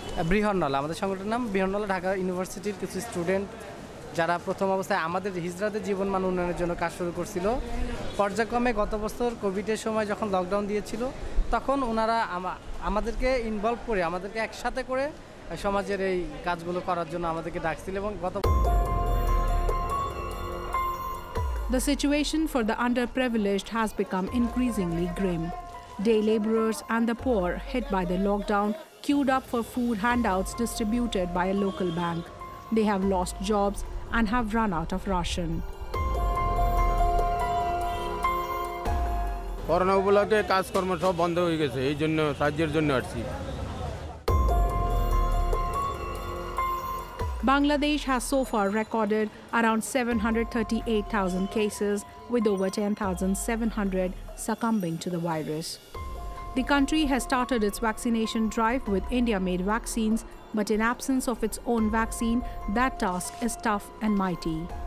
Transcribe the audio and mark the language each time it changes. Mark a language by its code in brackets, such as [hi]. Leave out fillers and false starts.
[bn] বৃহন্নল আমাদের সংগঠনের নাম বৃহন্নল ঢাকা ইউনিভার্সিটির কিছু স্টুডেন্ট যারা প্রথম অবস্থায় আমাদের হিজরাতে জীবন মান উন্নয়নের জন্য কাজ শুরু করছিল পর্যায়ক্রমে গত বছর কোভিডের সময় যখন লকডাউন দিয়েছিল তখন ওনারা আমাদেরকে ইনভলভ করে আমাদেরকে একসাথে করে সমাজের এই কাজগুলো করার জন্য আমাদেরকে ডাকছিল এবং গত [en] The situation for the underprivileged has become increasingly grim. Day laborers and the poor, hit by the lockdown, queued up for food handouts distributed by a local bank. They have lost jobs and have run out of ration. [bn] Corona উপলক্ষে কাজকর্ম সব বন্ধ হয়ে গেছে এই জন্য সাহায্যের জন্য আসছি [en] Bangladesh has so far recorded around 738,000 cases, with over 10,700 succumbing to the virus. The country has started its vaccination drive with India-made vaccines, but in absence of its own vaccine, that task is tough and mighty.